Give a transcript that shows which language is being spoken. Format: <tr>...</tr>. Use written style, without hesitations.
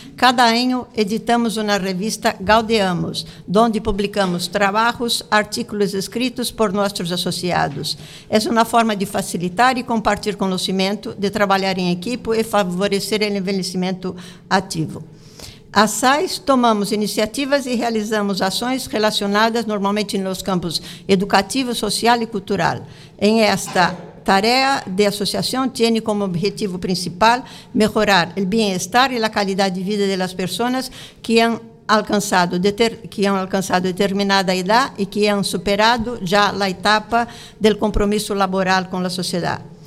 <es>Cada año editamos una revista Gaudeamos, donde publicamos trabajos, artículos escritos por nuestros asociados. Es una forma de facilitar y compartir conocimiento, de trabajar en equipo y favorecer el envejecimiento activo.</es> <pt>A SAIS, tomamos iniciativas y realizamos ações relacionadas normalmente nos campos educativo, social e cultural.</pt> <es>Em esta tarea de asociación tiene como objetivo principal mejorar el bienestar y la calidad de vida de las personas que han alcanzado determinada edad y que han superado ya la etapa del compromiso laboral con la sociedad.</es>